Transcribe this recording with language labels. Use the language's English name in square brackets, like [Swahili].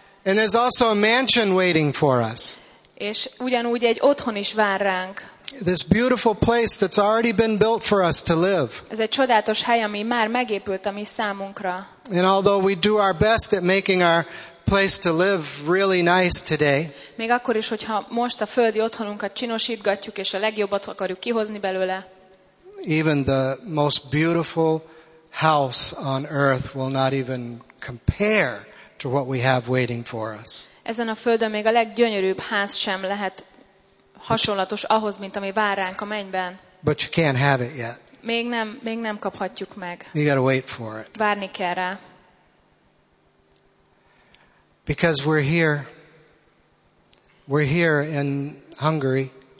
[English] And there's also a mansion waiting for us. [Hungarian] És ugyanúgy egy otthon is vár ránk. [English] This beautiful place that's already been built for us to live. [Hungarian] Ez egy csodálatos hely, ami már megépült a mi számunkra. [English] And although we do our best at making our place to live really nice today. [Hungarian] Még akkor is, hogyha most a földi otthonunkat csinosítgatjuk és a legjobbat akarjuk kihozni belőle. [English] Even the most beautiful house on earth will not even compare to what we have waiting for us. [Hungarian] Ezen a földön még a leggyönyörűbb ház sem lehet hasonlatos ahhoz, mint ami vár ránk a mennyben. [English] But you can't have it yet. [Hungarian] Még nem kaphatjuk meg. [English] You gotta wait for it. [Hungarian] Várni kell rá. [English] Because we're here in Hungary.